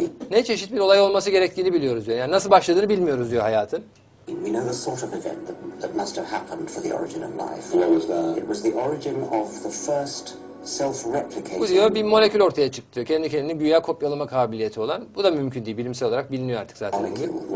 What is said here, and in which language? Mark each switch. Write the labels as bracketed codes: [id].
[tr] Ne çeşit bir olay olması gerektiğini biliyoruz diyor. Yani nasıl başladığını bilmiyoruz diyor hayatın. [en] We know the sort of event that must have happened for the origin of life. What was that? It was the origin of the first self-replicating. [tr] Bu diyor bir molekül ortaya çıktı. Kendi kendini güya kopyalama kabiliyeti olan. Bu da mümkün değil. Bilimsel olarak biliniyor artık zaten. Bugün.